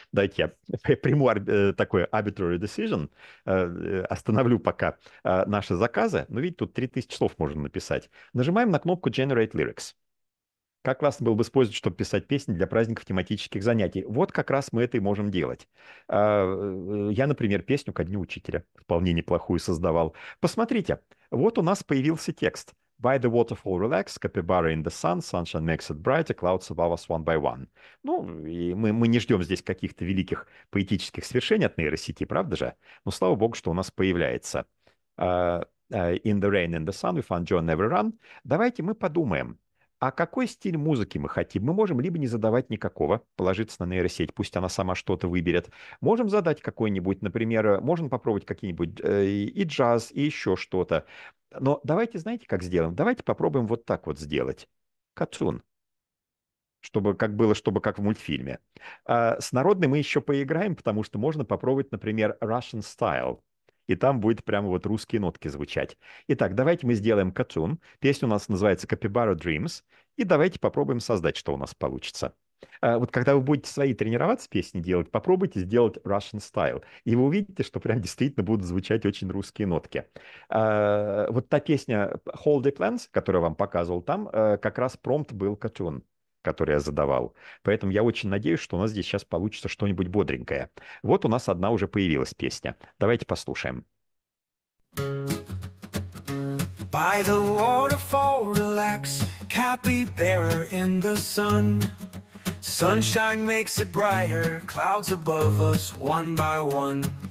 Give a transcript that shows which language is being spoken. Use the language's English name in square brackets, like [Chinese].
[Russian] Дайте я приму такой [English] arbitrary decision. [Russian] Остановлю пока наши заказы. Ну, видите, тут 3000 слов можно написать. Нажимаем на кнопку generate lyrics. Как классно было бы использовать, чтобы писать песни для праздников, тематических занятий. Вот как раз мы это и можем делать. Я, например, песню ко дню учителя вполне неплохую создавал. Посмотрите, вот у нас появился текст. [English] By the waterfall relax, capybara in the sun, sunshine makes it brighter, clouds above us one by one. [Russian] Ну, и мы не ждем здесь каких-то великих поэтических свершений от нейросети, правда же? Но слава богу, что у нас появляется. [English] In the rain, in the sun, we find joy in every run. [Russian] Давайте мы подумаем. А какой стиль музыки мы хотим? Мы можем либо не задавать никакого, положиться на нейросеть, пусть она сама что-то выберет. Можем задать какой-нибудь, например, можно попробовать какие-нибудь и джаз, и еще что-то. Но давайте, знаете, как сделаем? Давайте попробуем вот так вот сделать. Катун. Чтобы как было, чтобы как в мультфильме. С народной мы еще поиграем, потому что можно попробовать, например, Russian style. И там будет прямо вот русские нотки звучать. Итак, давайте мы сделаем катун. Песня у нас называется «Capybara Dreams». И давайте попробуем создать, что у нас получится. Вот когда вы будете свои тренироваться песни делать, попробуйте сделать Russian style. И вы увидите, что прям действительно будут звучать очень русские нотки. Вот та песня «Holiday Plans», которую я вам показывал, там как раз промпт был катун, который я задавал. Поэтому я очень надеюсь, что у нас здесь сейчас получится что-нибудь бодренькое. Вот у нас одна уже появилась песня. Давайте послушаем. [English] By the waterfall, relax, capybara in the sun. Sunshine makes it brighter, clouds above us one by one.